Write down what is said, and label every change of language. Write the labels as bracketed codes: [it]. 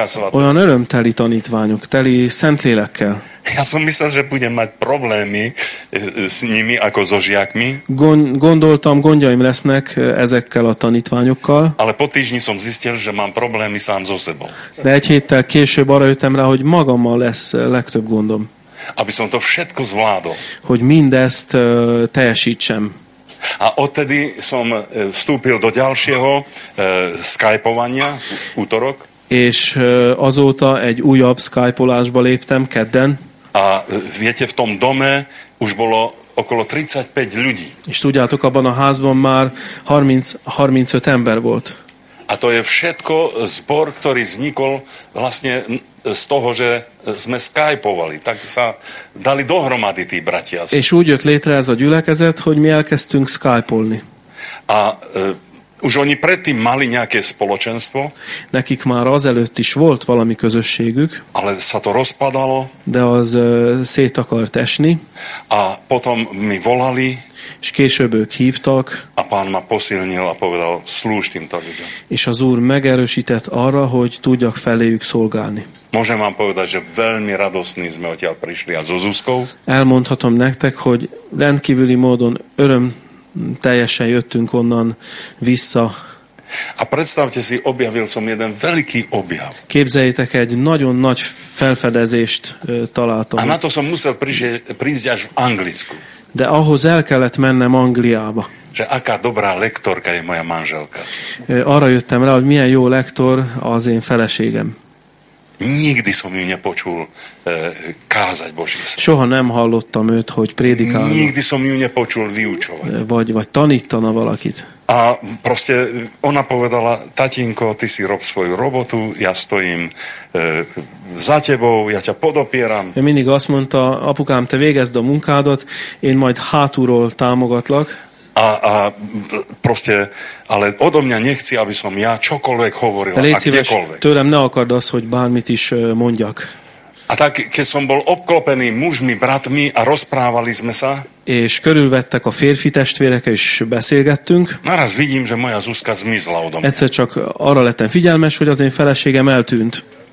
[hu] Olyan örömteli tanítványok, teli szentlélekkel. [sk] Ja som myslel, že budem mať problémy s nimi, ako so žiakmi. [hu] Gondoltam, gondjaim lesznek ezekkel a tanítványokkal. [sk] Ale po týždni som zistil, že mám problémy sám so sebou. [hu] De egy héttel később arra jöttem rá, hogy magammal lesz legtöbb gondom. [sk] Aby som to všetko zvládol. [hu] Hogy mindezt teljesítsem. [sk] A odtedy som vstúpil do ďalšieho skypovania útorok. [hu] És azóta egy újabb skypolásba léptem kedden. [sk] A viete, v tom dome už bolo okolo 35 ľudí. [hu] És tudjátok, abban a házban már 30-35 ember volt. [sk] A to je všetko zbor, ktorý vznikol vlastne z toho, že sme skypovali. Tak sa dali dohromady tí bratia. [hu] És úgy jött létre ez a gyülekezet, hogy mi elkezdtünk skypolni. [sk] A už oni predtým mali nejaké spoločenstvo. [hu] Nekik már azelőtt is volt valami közösségük. [sk] Ale sa to rozpadalo. [hu] De az szét akart esni. [sk] A potom mi volali. [hu] És később ők hívtak. [sk] A pán ma posilnil a povedal, slúž týmto ľuďom. [hu] És az úr megerősített arra, hogy tudjak feléjük szolgálni. [sk] Môžem vám povedať, že veľmi radosní sme odtiaľ prišli. A so Zuzkou. [hu] Elmondhatom nektek, hogy rendkívüli módon öröm teljesen jöttünk onnan vissza. [sk] A predstavte si, objavil som jeden veľký objav. [hu] Képzeljétek, egy nagyon nagy felfedezést találtam. [sk] A na to som musel prísť až v Anglicku. [hu] De ahhoz el kellett mennem Angliába. [sk] Že aká dobrá lektorka je moja manželka. [hu] Arra jöttem rá, hogy milyen jó lektor az én feleségem. [sk] Nikdy som ju nepočul kázať Božie slovo. [hu] Soha nem hallottam őt, hogy prédikálna. [sk] Nikdy som ju nepočul vyučovať. [hu] Vagy tanítana valakit. [sk] A proste ona povedala, tatínko, ty si rob svoju robotu, ja stojím za tebou, ja ťa podopieram. [hu] Ő mindig azt mondta, apukám, te végezd a munkádat, én majd hátulról támogatlak. [sk] A proste, ale odo mňa nechci, aby som ja čokoľvek hovoril, a kdekoľvek. [hu] Tőlem ne akard az, hogy bármit is mondjak. [sk] A tak, keď som bol obklopený mužmi, bratmi a rozprávali sme sa. [hu] És körülvettek a férfi testvérek, és beszélgettünk. [sk] Naraz vidím, že moja Zuzka zmizla odo mňa. [hu] Egyszer csak arra lettem figyelmes, hogy az én feleségem eltűnt.